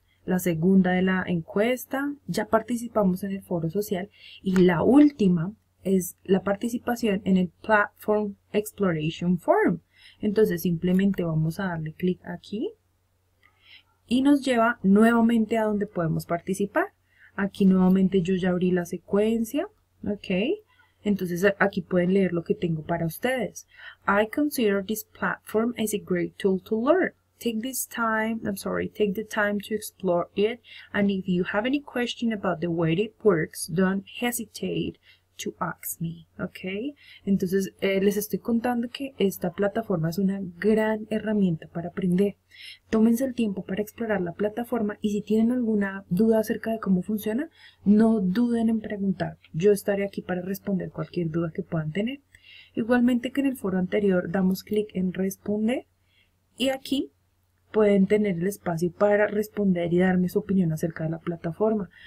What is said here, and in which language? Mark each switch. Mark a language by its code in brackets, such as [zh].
[es] La segunda de la encuesta, ya participamos en el foro social y la última es la participación en el Platform Exploration Forum. Entonces simplemente vamos a darle clic aquí y nos lleva nuevamente a donde podemos participar. Aquí nuevamente yo ya abrí la secuencia, ¿ok? Entonces aquí pueden leer lo que tengo para ustedes. [en] I consider this platform as a great tool to learn. Take this time, I'm sorry, take the time to explore it. And if you have any question about the way it works, don't hesitate to ask me. ¿Ok? [es] Entonces, les estoy contando que esta plataforma es una gran herramienta para aprender. Tómense el tiempo para explorar la plataforma y si tienen alguna duda acerca de cómo funciona, no duden en preguntar. Yo estaré aquí para responder cualquier duda que puedan tener. Igualmente que en el foro anterior, damos clic en Responde y aquí pueden tener el espacio para responder y darme su opinión acerca de la plataforma.